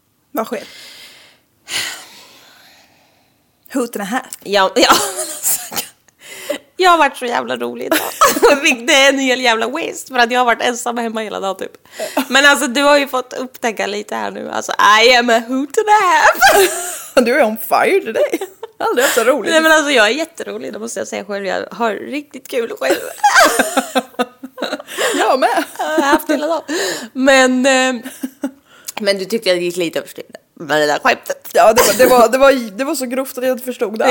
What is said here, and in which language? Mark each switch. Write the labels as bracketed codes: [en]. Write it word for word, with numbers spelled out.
[sv] Vad sker? Hoten är här. Ja, ja. Jag har varit så jävla rolig idag. Fick det en hel jävla waste för att jag har varit ensam hemma hela dagen typ. Men alltså, du har ju fått upptäcka lite här nu. [en] Alltså, I am a hoot and a half. [sv] Du är [en] on fire today. [sv] Aldrig haft så roligt. Nej, men alltså, jag är jätterolig. Då måste jag säga själv. Jag har riktigt kul själv. Jag med. Jag har haft hela dagen. Men... Eh, men du tyckte att det gick lite överstyr. Men det där skämtet. Ja, det var, det, var, det, var, det var så grovt att jag inte förstod det.